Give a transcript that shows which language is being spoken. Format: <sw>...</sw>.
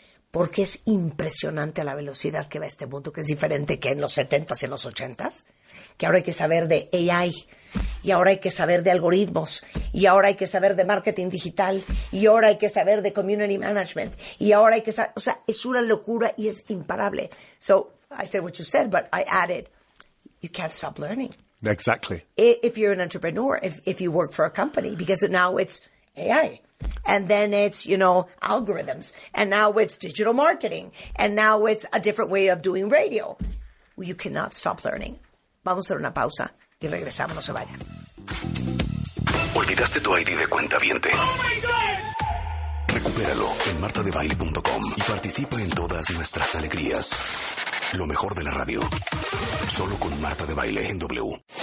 <es>porque es impresionante la velocidad que va este mundo, que es diferente que en los 70s y en los 80s, que ahora hay que saber de AI, y ahora hay que saber de algoritmos, y ahora hay que saber de marketing digital, y ahora hay que saber de community management, y ahora hay que saber, o sea, es una locura y es imparable.</es> <en>So, I said what you said, but I added, you can't stop learning. Exactly. If you're an entrepreneur, if you work for a company, because now it's AI. And then it's, you know, algorithms. And now it's digital marketing. And now it's a different way of doing radio. You cannot stop learning.</en> <es>Vamos a hacer una pausa y regresamos. No se vayan. ¿Olvidaste tu ID de cuentaviente?</es> <en>Oh my God!</en> <es>Recupéralo en martadebaile.com y participa en todas nuestras alegrías. Lo mejor de la radio. Solo con Marta de Baile en W.</es>